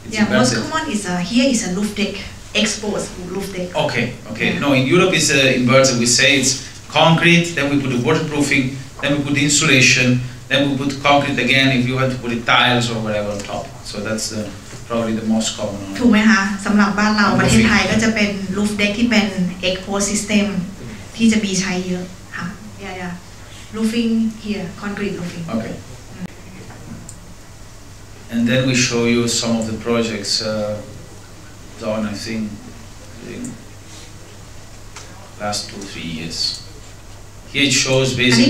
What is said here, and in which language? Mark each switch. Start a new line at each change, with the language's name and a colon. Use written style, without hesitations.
English: Most common is here is a roof deck, exposed roof deck. Okay. No, in Europe it's inverted. We say it's concrete, then we put the waterproofing, then we put the insulation, then we put concrete again if you want to put it tiles or whatever on top. So that's probably the most common one.
Thai: ถูกไหมคะสำหรับบ้านเราประเทศไทยก็จะเป็น roof deck ที่เป็น exposed system ที่จะมีใช้เยอะค่ะ yeah.
English: Roofing here, concrete roofing. Okay. And then we show you some of the projects done, I think, in last 2-3 years. Here it shows basically...